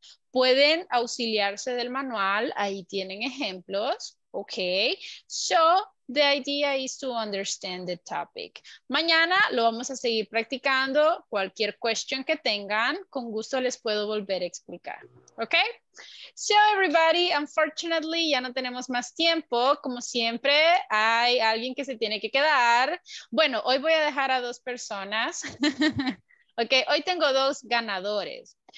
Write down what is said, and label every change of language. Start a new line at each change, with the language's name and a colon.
Spanish: Pueden auxiliarse del manual, ahí tienen ejemplos, okay?
English: So, the idea is to understand the topic.
Spanish: Mañana lo vamos a seguir practicando. Cualquier question que tengan, con gusto les puedo volver a explicar. Okay?
English: So everybody, unfortunately,
Spanish: ya no tenemos más tiempo. Como siempre, hay alguien que se tiene que quedar. Bueno, hoy voy a dejar a dos personas. Okay, hoy tengo dos ganadores.